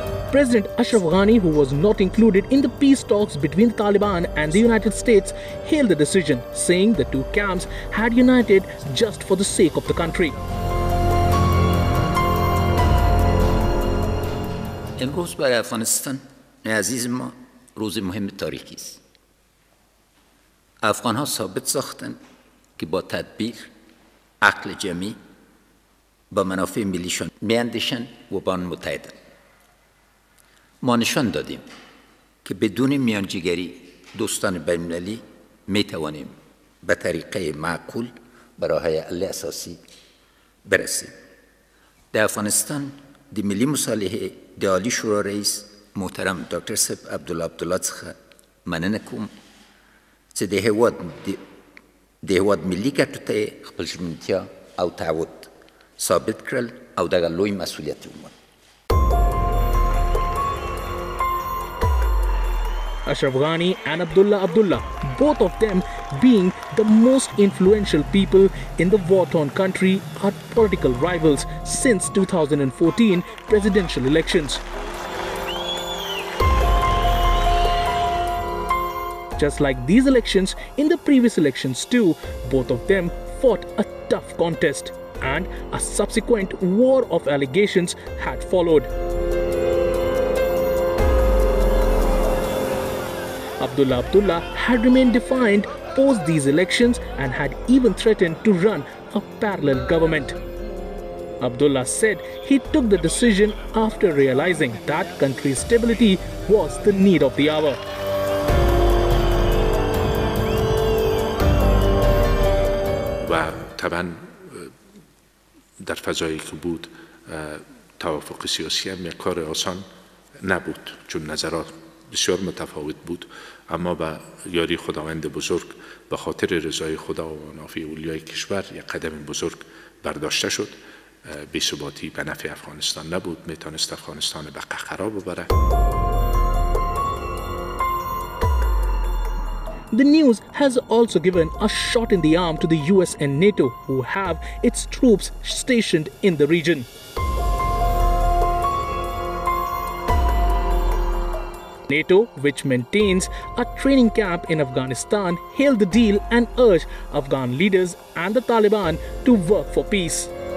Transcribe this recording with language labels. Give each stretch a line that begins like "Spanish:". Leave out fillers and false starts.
English: President Ashraf Ghani, who was not included in the peace talks between the Taliban and the United States, hailed the decision, saying the two camps had united just for the sake of the country.
Persian: امروز برای افغانستان عزیز ما روز مهم تاریخی است. افغان‌ها ثابت ساختند که با تدبیر، عقل جمعی، با منافع ملیشان می‌اندیشند و با آن متحدند. ما نشان دادیم که بدون میانجیگری دوستان بین‌المللی می‌توانیم به طریقه معقول به راه‌حل اساسی برسیم.
Pashto: در افغانستان دی ملی مصالحه د عالی شورا رئیس محترم دکتر صب عبدالله عبدالله څخه مننه کوم چې د هیواد ملي ګټو ته یې خپل ژمنتیا او تعود ثابت کړل او دغه لوی مسؤلیت یې ومنه.
English: Ashraf Ghani and Abdullah Abdullah, both of them being the most influential people in the war-torn country, are political rivals since 2014 presidential elections. Just like these elections, in the previous elections too, both of them fought a tough contest and a subsequent war of allegations had followed. Abdullah Abdullah had remained defiant post these elections and had even threatened to run a parallel government. Abdullah said he took the decision after realizing that country's stability was the need of the hour.
Persian: و طبعا در فضایی که بود توافق سیاسی هم کار آسان نبود چون نظرات بسیار متفاوت بود اما با یاری خداوند بزرگ به خاطر رضای خدا و منافع اولیای کشور یک قدم بزرگ برداشته شد بی ثباتی به نفع افغانستان نبود میتونست افغانستان به قهقرا ببره
English: The news has also given a shot in the arm to the US and NATO, who have its troops stationed in the region. NATO, which maintains a training camp in Afghanistan, hailed the deal and urged Afghan leaders and the Taliban to work for peace.